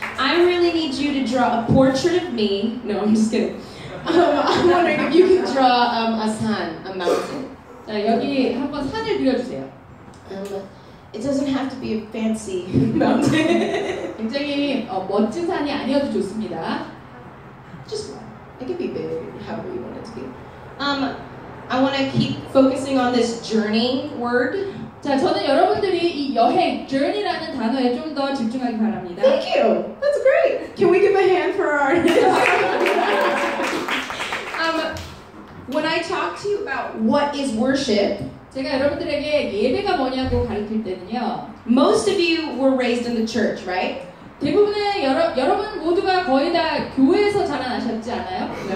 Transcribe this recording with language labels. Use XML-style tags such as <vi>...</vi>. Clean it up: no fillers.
<en>I really need you to draw a portrait of me. No, I'm just kidding. I'm wondering if you can draw a sun, a mountain.</en> <ko>자 여기 한번 산을 그려주세요.</ko> <en>It doesn't have to be a fancy mountain.</en> <ko>굉장히 멋진 산이 아니어도 좋습니다.</ko> <en>Just one. It can be big, however you want it to be. I want to keep focusing on this journey word.</en> <ko>자 저는 여러분들이 이 여행 journey라는 단어에 좀 더 집중하기 바랍니다.</ko> <en>Thank you. That's great. Can we give a hand for our artist? When I talk to you about what is worship,</en> <ko>제가 여러분들에게 예배가 뭐냐고 가르칠 때는요.</ko> <en>Most of you were raised in the church, right?</en> <ko>대부분의 여러분 모두가 거의 다 교회에서 자라나셨지 않아요?</ko>